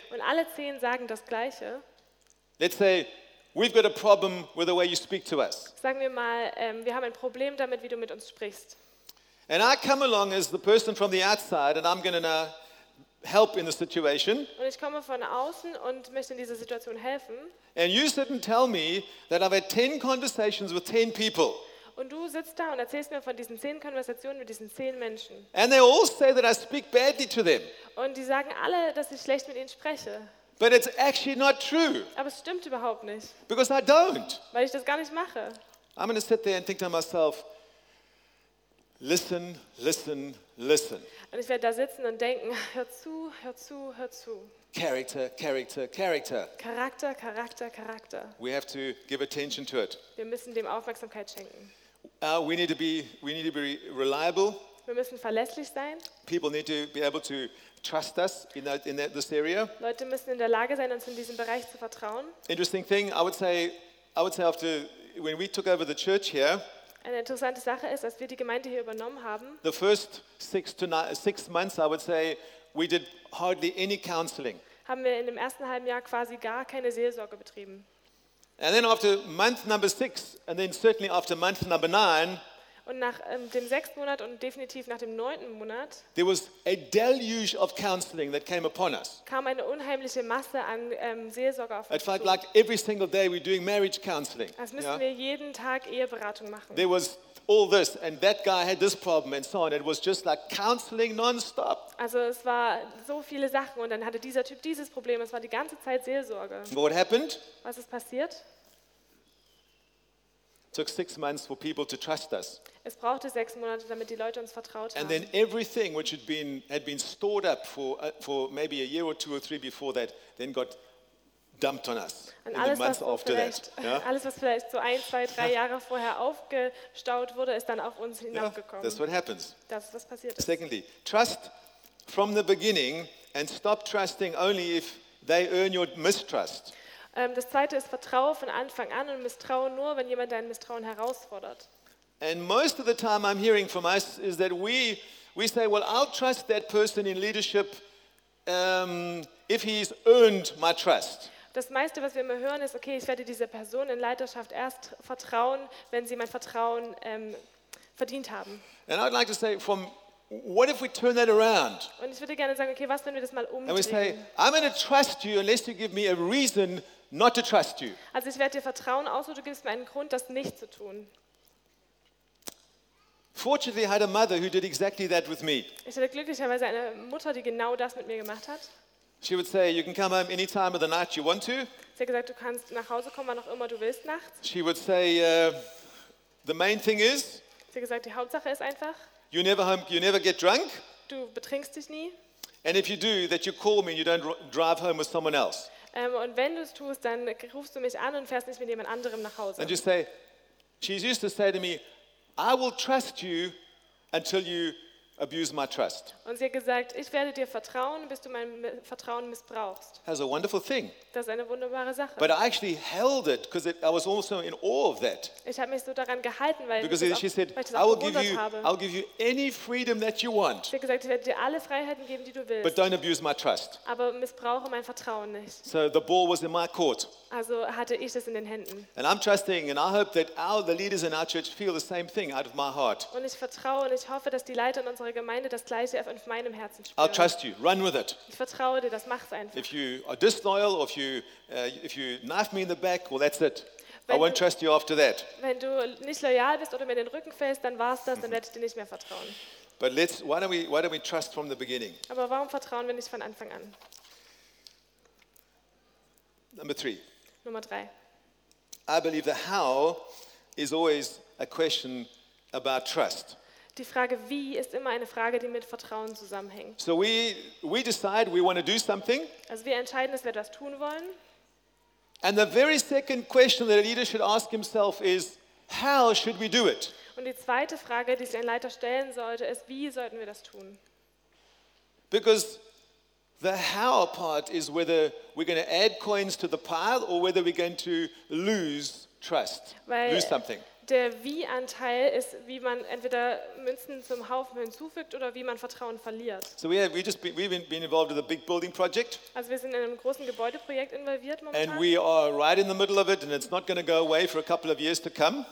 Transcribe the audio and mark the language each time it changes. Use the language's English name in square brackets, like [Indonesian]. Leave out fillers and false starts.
[German] Und alle 10 sagen das Gleiche. [English] Let's say we've got a problem with the way you speak to us. [German] Sagen wir mal, wir haben ein Problem damit, wie du mit uns sprichst. [English] And I come along as the person from the outside, and I'm going to help in the situation. [German] Und ich komme von außen und möchte in dieser Situation helfen. [English] And you sit and tell me that I've had 10 conversations with 10 people. [German] Und du sitzt da und erzählst mir von diesen 10 Konversationen mit diesen 10 Menschen. [English] And they all say that I speak badly to them. [German] Und die sagen alle, dass ich schlecht mit ihnen spreche. [English] But it's actually not true. [German] Aber es stimmt überhaupt nicht. [English] Because I don't. [German] Weil ich das gar nicht mache. [English] I'm going to sit there and think to myself, Listen, listen, listen. [German] Und ich werde da sitzen und denken, hör zu, hör zu, hör zu. [English] Character, character, character. [German] Charakter, Charakter, Charakter. [English] We have to give attention to it. [German] Wir müssen dem Aufmerksamkeit schenken. [English] We need to be reliable. [German] Wir müssen verlässlich sein. [English] People need to be able to trust us in this area. [German] Leute müssen in der Lage sein, uns in diesem Bereich zu vertrauen. [English] Interesting thing, I would say after when we took over the church here. [German] Eine interessante Sache ist, dass wir die Gemeinde hier übernommen haben. [English] The first 6 to 9, 6 months, I would say, we did hardly any counseling. [German] Haben wir in dem ersten halben Jahr quasi gar keine Seelsorge betrieben. [English] And then after month number 6, and then certainly after month number 9. [German] Und nach dem 6. Monat und definitiv nach dem 9. Monat. [English] There was a deluge of counseling that came upon us. [German] Kam eine unheimliche Masse an Seelsorge auf uns. [English] It felt like every single day we're doing marriage counseling. [German] Als müssten wir jeden Tag Eheberatung machen. [English] There was all this and that guy had this problem and so on. It was just like counseling non-stop. [German] Also es war so viele Sachen und dann hatte dieser Typ dieses Problem. Es war die ganze Zeit Seelsorge. [English] What happened? [German] Was ist passiert? [English] Took 6 months for people to trust us. [German] Es brauchte 6 Monate, damit die Leute uns vertraut haben. [English] And then everything which had been stored up for maybe a year or two or three before that, then got dumped on us. [German] Und alles, [English] in the months after that. [German] Alles, was vielleicht so 1, 2, 3 Jahre vorher aufgestaut wurde, ist dann auf uns hinabgekommen. [English] That's what happens. [German] Das ist, was passiert. [English] Secondly, trust from the beginning and stop trusting only if they earn your mistrust. [German] Das zweite ist Vertrauen von Anfang an und Misstrauen nur, wenn jemand dein Misstrauen herausfordert. [English] And most of the time I'm hearing from us is that we say, well, I'll trust that person in leadership if he's earned my trust. [German] Das meiste, was wir immer hören, ist, okay, ich werde dieser Person in Leiterschaft erst vertrauen, wenn sie mein Vertrauen verdient haben. [English] And I'd like to say from what if we turn that around? [German] Und ich würde gerne sagen, okay, was wenn wir das mal umdrehen? [English] And we say, I'm going to trust you unless you give me a reason not to trust you. [German] Also ich werde dir vertrauen, außer du gibst mir einen Grund, das nicht zu tun. [English] Fortunately, I had a mother who did exactly that with me. [German] Ich hatte glücklicherweise eine Mutter, die genau das mit mir gemacht hat. [English] She would say, "You can come home any time of the night you want to." [German] Sie hat gesagt, du kannst nach Hause kommen, wann auch immer du willst nachts. [English] She would say, "The main thing is." [German] Sie hat gesagt, die Hauptsache ist einfach. [English] You never get drunk. [German] Du betrinkst dich nie. [English] And if you do, that you call me and you don't drive home with someone else. [German] Und wenn du es tust, dann rufst du mich an und fährst nicht mit jemand anderem nach Hause. [English] And you say, she used to say to me, I will trust you until you abuse my trust. [German] Und sie hat gesagt, ich werde dir vertrauen, bis du mein Vertrauen missbrauchst. [English] That's a wonderful thing. [German] Das ist eine wunderbare Sache. [English] But I actually held it because I was also in awe of that. [German] Ich habe mich so daran gehalten, weil [English] because [German] ich [English] she said, [German] auch, [English] I will give you, I'll give you any freedom that you want. [German] Sie hat gesagt, ich werde dir alle Freiheiten geben, die du willst. [English] But don't abuse my trust. [German] Aber missbrauche mein Vertrauen nicht. [English] So the ball was in my court. [German] Also hatte ich es in den Händen. [English] And I'm trusting and I hope that all the leaders in our church feel the same thing out of my heart. [German] Und ich vertraue und ich hoffe, dass die Leiter in unserer Gemeinde das gleiche auf meinem Herzen spüren. [English] I'll trust you. Run with it. [German] Ich vertraue dir, das mach's einfach. [English] If you are disloyal or if you knife me in the back, well that's it. [German] Wenn [English] I won't trust you after that. [German] Wenn du nicht loyal bist oder mir den Rücken fällst, dann war's das, dann werde ich dir nicht mehr vertrauen. [English] But why don't we trust from the beginning? [German] Aber warum vertrauen wir nicht von Anfang an? Nummer 3. [English] I believe the how is always a question about trust. [German] Die Frage wie ist immer eine Frage, die mit Vertrauen zusammenhängt. [English] So we decide we want to do something. [German] Also wir entscheiden, dass wir etwas tun wollen. [English] And the very second question that a leader should ask himself is how should we do it? [German] Und die zweite Frage, die sich ein Leiter stellen sollte, ist wie sollten wir das tun? [English] Because the how part is whether we're going to add coins to the pile or whether we're going to lose trust. Lose something. [German] Der Wie-Anteil ist, wie man entweder Münzen zum Haufen hinzufügt oder wie man Vertrauen verliert. [English] So we've been involved with a big building project. [German] Also wir sind in einem großen Gebäudeprojekt involviert momentan. [English] And we are right in the middle of it and it's not going to go away for a couple of years to come.